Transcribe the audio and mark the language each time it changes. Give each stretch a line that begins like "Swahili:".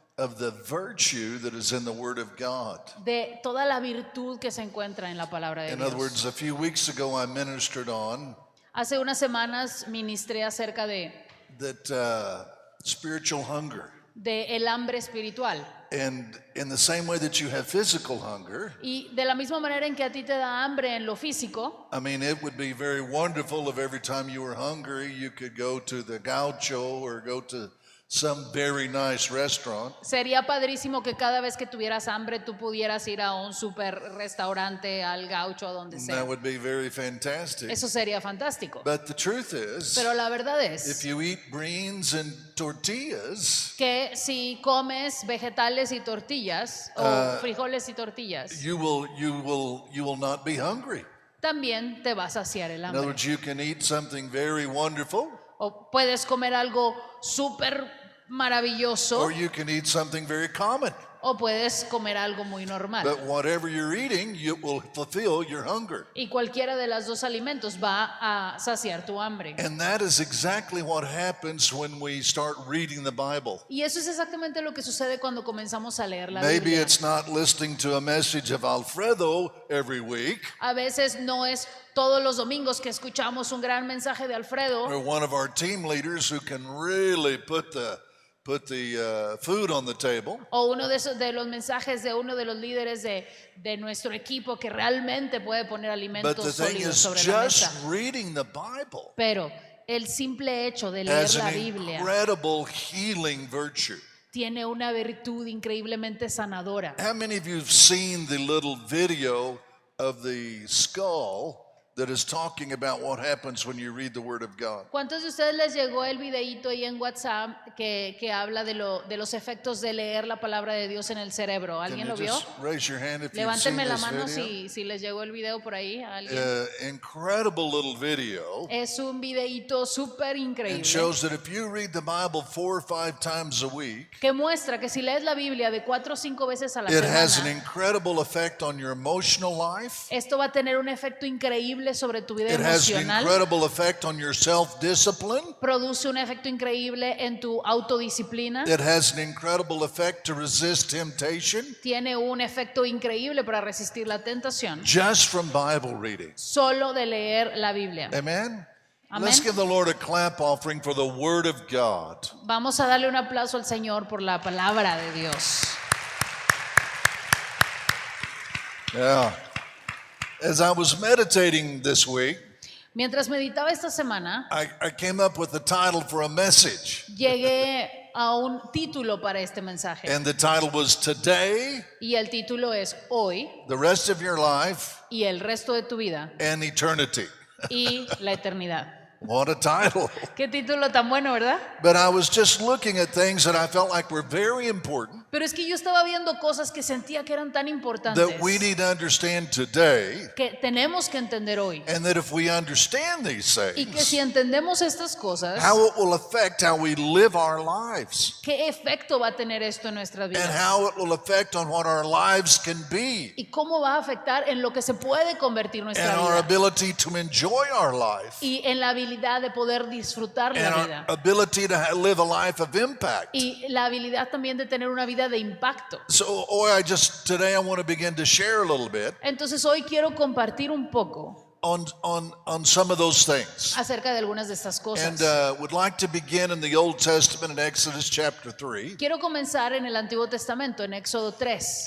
English: Of the virtue that is in the Word of God.
Spanish: De toda la virtud que se encuentra en la palabra de Dios.
English: In other words, a few weeks ago I ministered on.
Spanish: Hace unas semanas ministré acerca de.
English: That spiritual hunger.
Spanish: De el hambre espiritual.
English: And in the same way that you have physical hunger,
Spanish: y de la misma manera en que a ti te da hambre en lo físico,
English: I mean, it would be very wonderful if every time you were hungry, you could go to the gaucho or go to some very nice restaurant.
Spanish: Sería padrísimo que cada vez que tuvieras hambre, tú pudieras ir a un super restaurante, al gaucho, a donde sea.
English: That would be very fantastic.
Spanish: Eso sería fantástico.
English: But the truth is,
Spanish: pero la verdad es,
English: if you eat greens and tortillas,
Spanish: que si comes vegetales y tortillas o frijoles y tortillas,
English: you will not be hungry.
Spanish: También te vas a saciar el hambre.
English: In other words, you can eat something very wonderful.
Spanish: O puedes comer algo super maravilloso.
English: Or you can eat something very common.
Spanish: O puedes comer algo muy normal.
English: But whatever you're eating, it will fulfill your hunger.
Spanish: Y cualquiera de las dos alimentos va a saciar tu hambre.
English: And that is exactly what happens when we start reading the Bible.
Spanish: Y eso es exactamente lo que sucede cuando comenzamos a leer la Biblia.
English: Maybe it's not listening to a message of Alfredo every week.
Spanish: A veces no es todos los domingos que escuchamos un gran mensaje de Alfredo.
English: Or one of our team leaders who can really put the food on the table.
Spanish: O uno de esos de los mensajes de uno de los líderes de nuestro equipo que realmente puede poner alimentos sólidos sobre la mesa.
English: But the thing is, just reading the Bible.
Spanish: Pero el simple hecho de leer la Biblia.
English: Incredible healing virtue.
Spanish: Tiene una virtud increíblemente sanadora.
English: How many of you have seen the little video of the skull that is talking about what happens when you read the Word of God?
Spanish: ¿Cuántos de ustedes les llegó el videíto ahí en WhatsApp que habla de los efectos de leer la palabra de Dios en el cerebro? ¿Alguien lo vio?
English: Raise your hand if
Spanish: Levántenme
English: you've seen
Spanish: la mano
English: this video.
Spanish: Si les llegó el video por ahí.
English: Incredible little video.
Spanish: Es un videíto súper increíble.
English: It shows that if you read the Bible 4 or 5 times a week,
Spanish: que muestra que si lees la Biblia de 4 o 5 veces a la semana,
English: it has an incredible effect on your emotional life.
Spanish: Esto va a tener un efecto increíble sobre tu vida
English: it has an incredible effect on your self-discipline.
Spanish: Produce un efecto increíble en tu autodisciplina.
English: It has an incredible effect to resist temptation.
Spanish: Tiene un efecto increíble para resistir la tentación.
English: Just from Bible reading.
Spanish: Solo de leer la Biblia.
English: Amen.
Spanish: Amen.
English: Let's give the Lord a clap offering for the Word of God.
Spanish: Vamos a darle un aplauso al Señor por la palabra de Dios.
English: Yeah. As I was meditating this week,
Spanish: mientras meditaba esta semana,
English: I came up with a title for a message.
Spanish: Llegué a un título para este mensaje.
English: And the title was Today.
Spanish: Y el título es Hoy.
English: The rest of your life.
Spanish: Y el resto de tu vida.
English: And eternity.
Spanish: Y la eternidad.
English: What a title.
Spanish: Qué título tan bueno, ¿verdad?
English: But I was just looking at things that I felt like were very important.
Spanish: Pero es que yo estaba viendo cosas que sentía que eran tan importantes.
English: That we need to understand today.
Spanish: Que tenemos que entender hoy.
English: And that if we understand these things.
Spanish: Y que si entendemos estas cosas.
English: How it will affect how we live our lives.
Spanish: ¿Qué efecto va a tener esto en nuestra vida?
English: And how it will affect on what our lives can be.
Spanish: ¿Y cómo va a afectar en lo que se puede convertir nuestra
English: and
Spanish: vida?
English: Our ability to enjoy our life.
Spanish: Y en la habilidad de poder disfrutar
English: and
Spanish: la
English: our
Spanish: vida.
English: Ability to live a life of impact.
Spanish: Y la habilidad también de tener una vida de impacto.
English: So, today I want to begin to share a little bit.
Spanish: Entonces hoy quiero compartir un poco.
English: On some of those things.
Spanish: Acerca de algunas de estas cosas.
English: And would like to begin in the Old Testament in Exodus chapter 3.
Spanish: Quiero comenzar en el Antiguo Testamento en Éxodo 3.